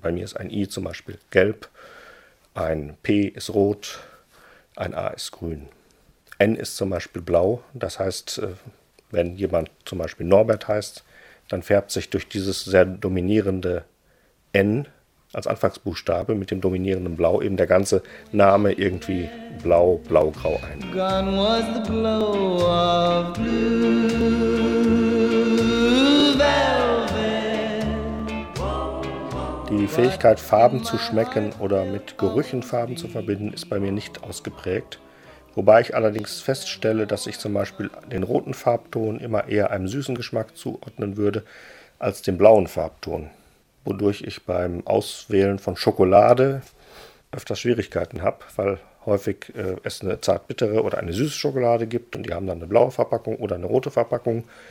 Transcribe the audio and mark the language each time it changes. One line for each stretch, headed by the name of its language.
German: Bei mir ist ein I zum Beispiel gelb, ein P ist rot, ein A ist grün. N ist zum Beispiel blau, das heißt, wenn jemand zum Beispiel Norbert heißt, dann färbt sich durch dieses sehr dominierende N als Anfangsbuchstabe mit dem dominierenden Blau eben der ganze Name irgendwie blau, blau-grau ein.
English: Gone was the blow of blue velvet.
German: Die Fähigkeit, Farben zu schmecken oder mit Gerüchen Farben zu verbinden, ist bei mir nicht ausgeprägt. Wobei ich allerdings feststelle, dass ich zum Beispiel den roten Farbton immer eher einem süßen Geschmack zuordnen würde als dem blauen Farbton, wodurch ich beim Auswählen von Schokolade öfter Schwierigkeiten habe, weil häufig es eine zartbittere oder eine süße Schokolade gibt und die haben dann eine blaue Verpackung oder eine rote Verpackung.